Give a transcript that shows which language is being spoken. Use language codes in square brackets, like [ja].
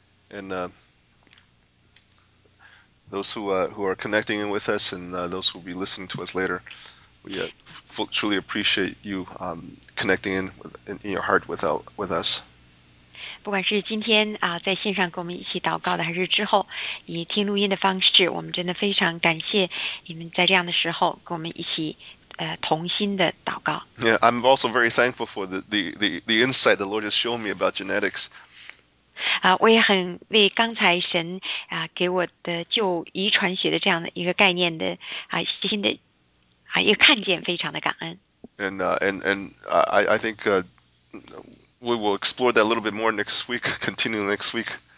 [en] And those who are connecting in with us and those who will be listening to us later, we truly appreciate you connecting in your heart with us. [zh] 不管是今天在线上跟我们一起祷告的，还是之后以听录音的方式，我们真的非常感谢你们在这样的时候跟我们一起同心的祷告。 [en] Yeah, I'm also very thankful for the insight the Lord has shown me about genetics. [zh] 我也很为刚才神给我的就遗传学的这样的一个概念的新的一个看见非常的感恩。 [en] And I think we will explore that a little bit more next week, continue next week.